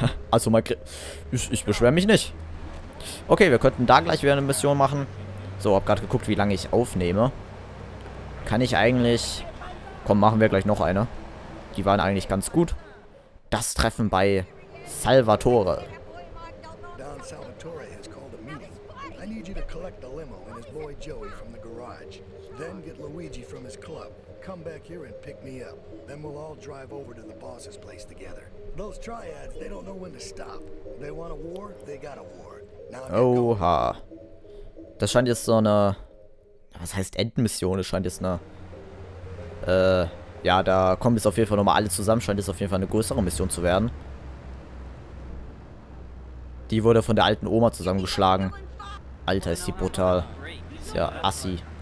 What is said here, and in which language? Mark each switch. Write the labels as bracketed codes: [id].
[de] Also mal, ich beschwere mich nicht. Okay, wir könnten da gleich wieder eine Mission machen. So, hab gerade geguckt, wie lange ich aufnehme. Kann ich eigentlich... Komm, machen wir gleich noch eine. Die waren eigentlich ganz gut. Das Treffen bei Salvatore. [en] Don Salvatore has called a meeting. I need you to collect the limo and his boy Joey from the garage. Then get Luigi from his club. Come back here and pick me up. Then we'll all drive over to the boss's place together. Those triads, they don't know when to stop. They want a war, they got a war. [de] Oha. Das scheint jetzt so eine... Was heißt Endmission? Das scheint jetzt eine... ja, da kommen jetzt auf jeden Fall nochmal alle zusammen. Scheint jetzt auf jeden Fall eine größere Mission zu werden. Die wurde von der alten Oma zusammengeschlagen. Alter, ist die brutal. Ist ja assi.